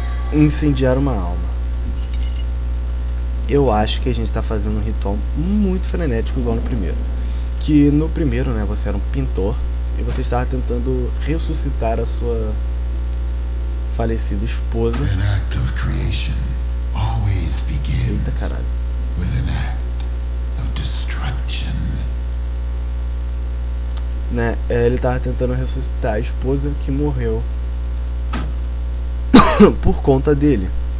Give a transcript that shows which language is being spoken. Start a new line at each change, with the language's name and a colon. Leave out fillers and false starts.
Portuguese: Incendiar uma alma. Eu acho que a gente tá fazendo um ritual muito frenético igual no primeiro. Que no primeiro, né, você era um pintor e você estava tentando ressuscitar a sua falecida esposa.
English: An act of creation always begins.
Portuguese: Eita, caralho.
English: With an act of destruction.
Portuguese: Né, ele estava tentando ressuscitar a esposa que morreu por conta dele.